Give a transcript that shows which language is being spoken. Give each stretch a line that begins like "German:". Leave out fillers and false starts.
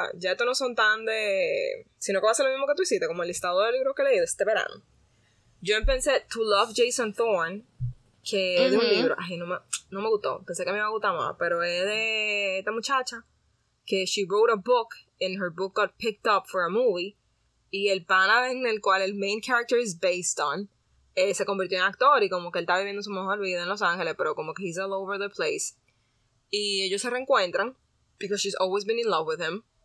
Spanish: Ya estos no son tan de... Sino que va a ser lo mismo que tú hiciste, como el listado de libros que leí de este verano. Yo empecé To Love Jason Thorne, que uh-huh. es de un libro... Ay, no me gustó, pensé que me iba a gustar más, pero es de esta muchacha, que
English: she wrote a book... And her book got picked up for a movie.
Spanish: Y el pana en el cual el
English: main character is based on
Spanish: se convirtió en actor, y como que él está viviendo su mejor vida en Los Ángeles, pero como que
English: he's all over the place.
Spanish: Y ellos se reencuentran
English: because she's always been in love with him.